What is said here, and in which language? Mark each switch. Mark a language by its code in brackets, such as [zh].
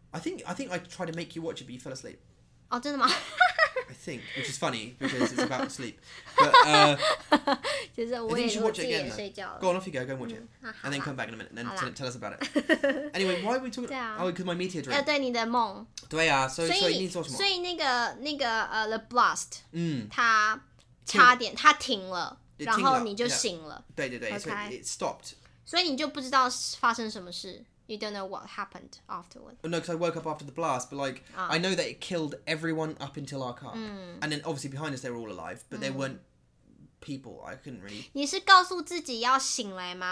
[en] I think I tried to make you watch it, but you fell asleep. [zh] 哦,真的吗? [en] I think, which is funny, because it's about sleep. But, I think you should watch it again. Go on, off you go and watch it. And then come back in a minute, and then tell us about it. Anyway, why are we talking about... Oh, because my meteor dream. [zh] 对你的梦。对啊,所以你做什么?所以那个The Blast, 它差点,它停了,然后你就醒了。对对对,所以 [en] it stopped. [zh] 所以你就不知道发生什么事。 [en] You don't know what happened afterwards. Oh, no, because I woke up after the blast, but like, I know that it killed everyone up until our car. And then obviously behind us, they were all alive, but they weren't people. I couldn't really... [zh] 你是告诉自己要醒来吗?